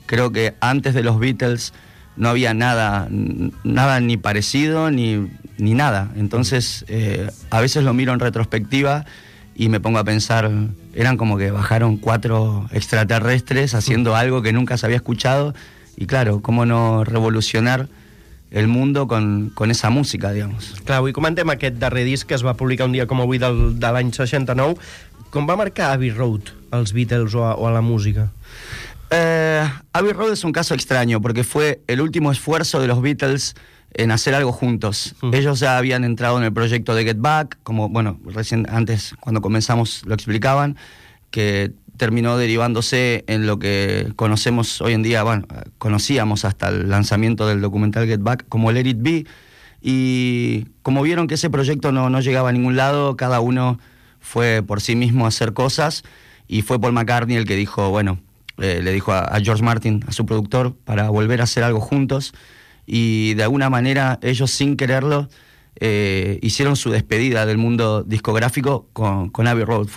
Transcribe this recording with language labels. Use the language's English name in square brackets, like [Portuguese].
[Spanish] Creo que antes de los Beatles no había nada ni parecido, ni nada. Entonces, a veces lo miro en retrospectiva y me pongo a pensar, eran como que bajaron cuatro extraterrestres haciendo algo que nunca se había escuchado. Y claro, ¿cómo no revolucionar el mundo con esa música, digamos? [Catalan] Clar, avui comentem aquest darrer disc que es va publicar un dia com avui de l'any 69. Com va marcar Abbey Road als Beatles o a la música? [Spanish] Abbey Road es un caso extraño porque fue el último esfuerzo de los Beatles en hacer algo juntos. Ellos ya habían entrado en el proyecto de Get Back, como, bueno, recién antes cuando comenzamos lo explicaban, que... terminó derivándose en lo que conocemos hoy en día, bueno, conocíamos hasta el lanzamiento del documental Get Back como Let It Be, y como vieron que ese proyecto no llegaba a ningún lado, cada uno fue por sí mismo a hacer cosas, y fue Paul McCartney el que dijo, bueno, le dijo a George Martin, a su productor, para volver a hacer algo juntos, y de alguna manera ellos sin quererlo, hicieron su despedida del mundo discográfico con Abbey Road.